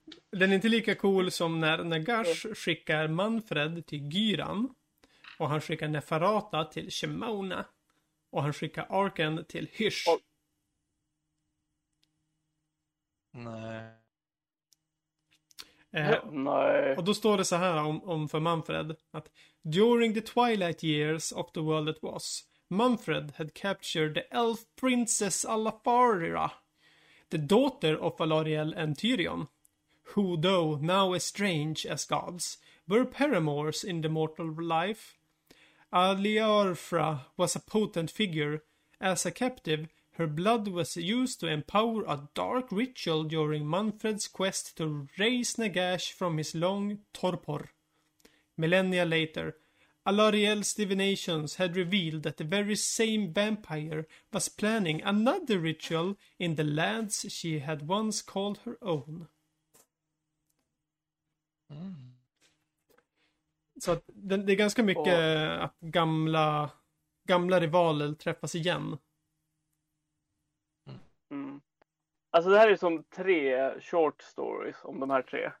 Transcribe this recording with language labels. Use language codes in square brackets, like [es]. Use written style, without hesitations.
[sv] Den är inte lika cool som när Nagash skickar Manfred till Gyran. Och han skickar Nefarata till Shemona. Och han skickar Arken till Hysh. Oh. Nej. Och då står det så här om för Manfred. Att [en] during the twilight years of the world it was, Manfred had captured the elf princess Alafarira, the daughter of Alariel and Tyrion, who though now estranged as gods, were paramours in the mortal life. Aliarfra was a potent figure. As a captive, Her blood was used to empower a dark ritual during Manfred's quest to raise Nagash from his long torpor. Millennia later, Alariel's divinations had revealed that the very same vampire was planning another ritual in the lands she had once called her own. [sv] Mm. Så det är ganska mycket att gamla rivaler träffas igen. Mm. Alltså det här är som tre [en] short stories [sv] om de här tre.